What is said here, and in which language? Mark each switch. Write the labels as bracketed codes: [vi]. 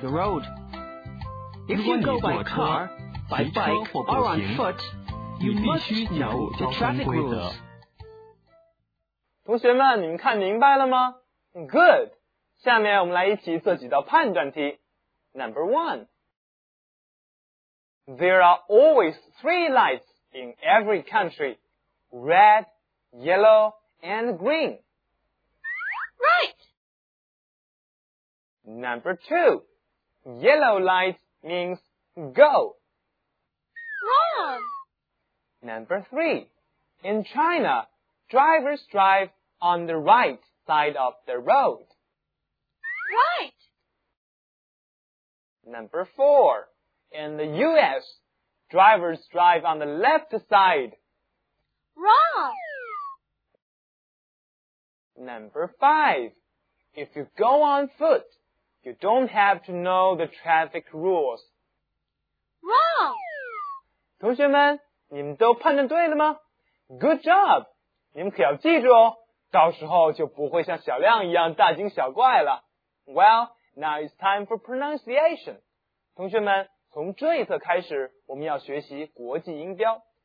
[zh] 如果你坐车、骑车或步行，你必须掌握交通规则。同学们，你们看明白了吗 ？Good。下面我们来一起做几道判断题。 [en] Number one, there are always three lights in every country, red, yellow, and green. Right. Number two, yellow light means go. Wrong. Number three, in China, drivers drive on the right side of the road. Right. Number four. In the U.S., drivers drive on the left side. Wrong. Number five. If you go on foot, you don't have to know the traffic rules. Wrong. [zh] 同学们，你们都判断对了吗？ [en] Good job! [zh] 你们可要记住哦，到时候就不会像小亮一样大惊小怪了。 [en] Well, now it's time for pronunciation. [zh] 同学们，从这一册开始，我们要学习国际音标。